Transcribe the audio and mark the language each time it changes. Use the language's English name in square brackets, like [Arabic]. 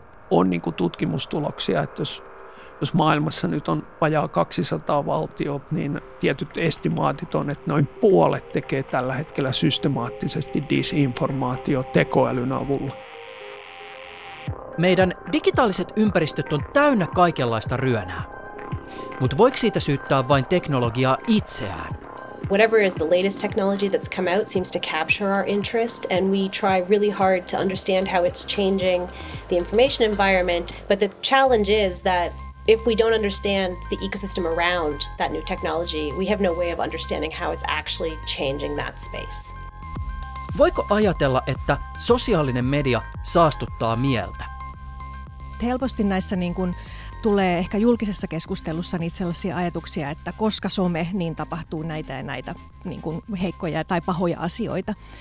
[Finnish] On niinku tutkimustuloksia, että jos maailmassa nyt on vajaa 200 valtiota, niin tietyt estimaatit on, että noin puolet tekee tällä hetkellä systemaattisesti disinformaatio tekoälyn avulla. Meidän digitaaliset ympäristöt on täynnä kaikenlaista ryönää. Mutta voiko siitä syyttää vain teknologiaa itseään? [English] Whatever is the latest technology that's come out seems to capture our interest, and we try really hard to understand how it's changing the information environment. But the challenge is that if we don't understand the ecosystem around that new technology, we have no way of understanding how it's actually changing that space. [Finnish] Voiko ajatella, että sosiaalinen media saastuttaa mieltä? Helposti näissä niin kuin tulee ehkä julkisessa keskustelussa niitä sellaisia ajatuksia, että koska some, niin tapahtuu näitä ja näitä niin kuin heikkoja tai pahoja asioita.